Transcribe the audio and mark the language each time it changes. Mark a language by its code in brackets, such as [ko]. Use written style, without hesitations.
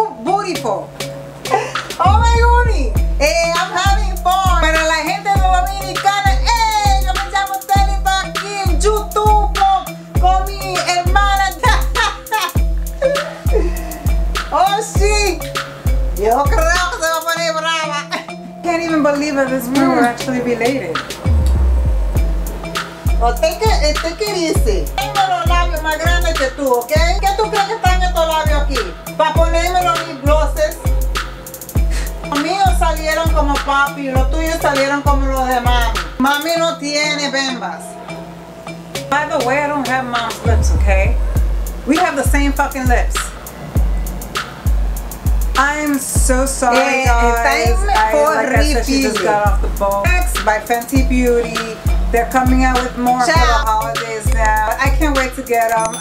[en] Beautiful. Oh my goody. I'm having fun. [es] Para la gente de Dominicana, yo me llamo Telipa aquí en YouTube con mi hermana. Oh sí. Yo creo que se va a poner brava. [en] Can't even believe that this room will actually be lated. take it easy. [es] Tengo los labios más grandes que tú, okay? ¿Qué tú crees que están estos labios aquí? Para ponerme los glosses. Los míos salieron como papi, los tuyos salieron como los demás. Mami no tiene bembas. [en] By the way, I don't have mom's lips, okay? We have the same fucking lips. I'm so sorry, guys. I just got off the boat. Next by Fenty Beauty. They're coming out with more for the holidays now. I can't wait to get them.